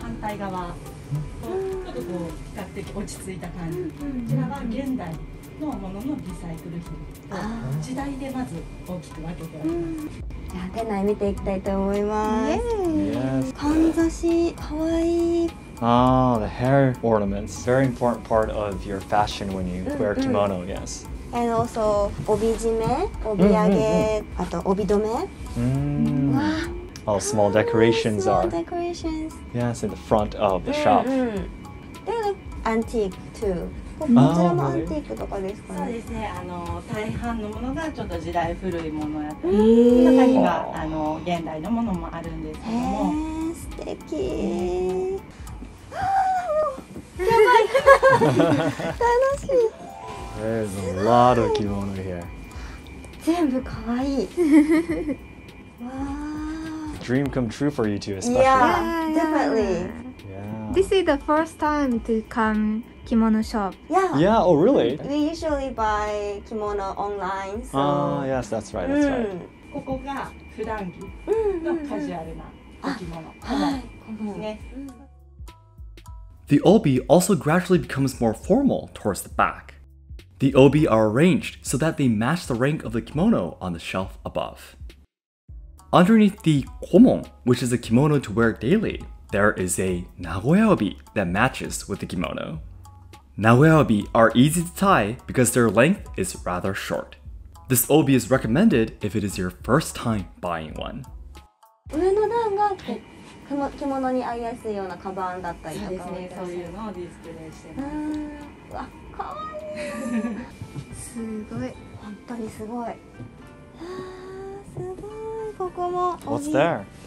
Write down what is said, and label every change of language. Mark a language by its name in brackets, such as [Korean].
[Japanese] 反対側、ちょっとこう比較的落ち着いた感じ。こちらは現代のもののリサイクル品と時代でまず大きく分けてあります。店内見ていきたいと思います。かんざし、かわいい。 [English] Ah, the hair ornaments. Very important part of your fashion when you wear kimono, yes. And also, [Japanese] 帯締め、帯揚げ、あと帯留め。 [English] All small decorations are. Small decorations. Yes, in the front of the shop. They look antique too. [Japanese] こちらもアンティークとかですかね。そうですね。大半のものがちょっと時代古いものやったり、中には現代のものもあるんですけども。素敵。やばい。楽しい。 [English] There's a lot of kimono here. [Japanese] 全部可愛い。 [English] わあ。Dream come true for you two, especially. Yeah, definitely. This is the first time to come. Kimono shop. Yeah. Yeah. Oh, really? We usually buy kimono online. So. Yes, that's right. That's right. [Japanese] ここが普段着のカジュアルな着物。はい。 [English] ね。The obi also gradually becomes more formal towards the back. The obi are arranged so that they match the rank of the kimono on the shelf above. Underneath the komon, which is a kimono to wear daily, there is a nagoya obi that matches with the kimono. Nagoya obi are easy to tie because their length is rather short. This obi is recommended if it is your first time buying one. [Japanese] 上の段が着物に合いやすいようなカバンだったりとか。そうですね、そういうのをディスプレイしてます。うわ、かわいい。すごい。本当にすごい。すごい。ここも [English] 帯。What's there?